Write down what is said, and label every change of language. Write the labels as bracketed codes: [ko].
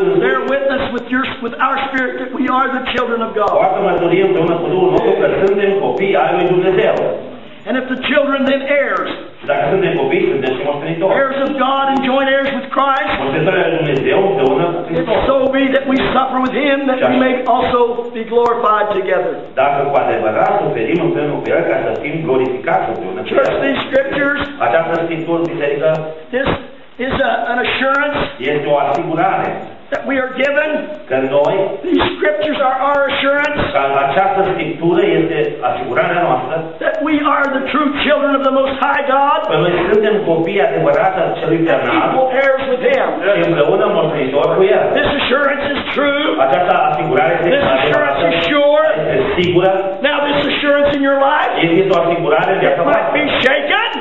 [ro] însuși, [en] bear witness with your, with our spirit that we are the children of God. [ro] Poartă mărturie împreună cu Duhul nostru că suntem copii ai lui Dumnezeu. [en] And if the children, then heirs. [ro] Și dacă suntem copii, suntem și moștenitori. [en] Heirs of God and joint heirs with Christ. [ro] Moștenitori al lui Dumnezeu, împreună cu Hristos. [en] If so be that we suffer with him, that we may also be glorified together. [ro] Dacă cu adevărat suferim împreună cu el ca să fim glorificați împreună cu el. [en] Church, these scriptures. [ro] Această scriptură biserică. [en] This is an assurance. [ro] Este o asigurare. [en] That we are given. [ro] Că noi. [en] These scriptures are our assurance. [ro] Că această scriptură este asigurarea noastră. [en] That we are the true children of the Most High God. [ro] Că noi suntem copii adevărați al celui eternal. [en] And equal heirs with him. [ro] Și împreună moștenitori cu el. [en] This assurance is true. [ro] Această asigurare este adevărată. [en] This assurance is sure. [ro] Este sigură. [en] Now this assurance in your life. [ro] Este o asigurare de viața voastră. [en] It might be shaken.